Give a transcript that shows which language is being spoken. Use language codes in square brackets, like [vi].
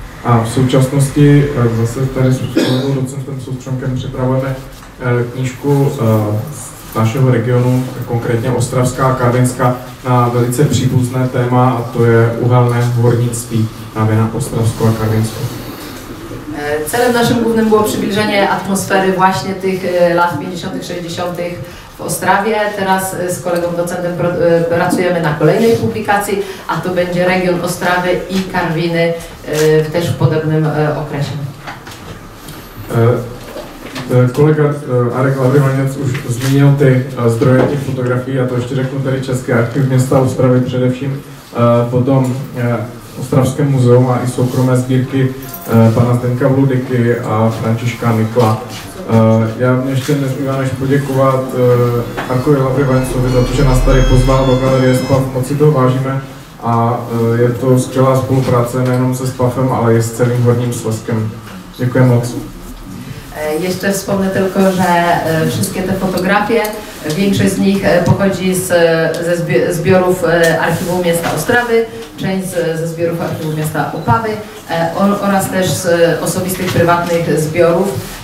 [cs] A v současnosti zase tady s kolegou docentem Soustřenkem připravujeme knížku z našeho regionu, konkrétně Ostravská a Karvinská, na velice příbuzné téma, a to je uhelné hornictví na vina Ostravsko a Karvinsko. [pl] Celem naszym głównym było przybliżenie atmosfery właśnie tych lat 50. 60. w Ostrawie. Teraz z kolegą docentem pracujemy na kolejnej publikacji, a to będzie region Ostrawy i Karwiny też w podobnym okresie. Kolega Arek Labrymaniec już zmienił te zdroje tych fotografii, a to jeszcze rzeknę tutaj Czeskie Archiv Miasta Ostrawy przede wszystkim, potem Ostrawskie Muzeum a i [cs] soukromé zbierki [pl] pana Zdenka Vludyky a Františka Nykla. [cs] Já mě ještě nezbývá než poděkovat Arkovi Labrymaniecovi za to, že nás tady pozval do galerie SPAF, moc si toho vážíme a je to skvělá spolupráce nejenom se SPAFem, ale i s celým Horním Slezskem. Děkuji moc. [pl] Jeszcze wspomnę tylko, że wszystkie te fotografie, większość z nich pochodzi ze zbiorów Archiwum Miasta Ostrawy, część ze zbiorów Archiwum Miasta Opawy oraz też z osobistych, prywatnych zbiorów.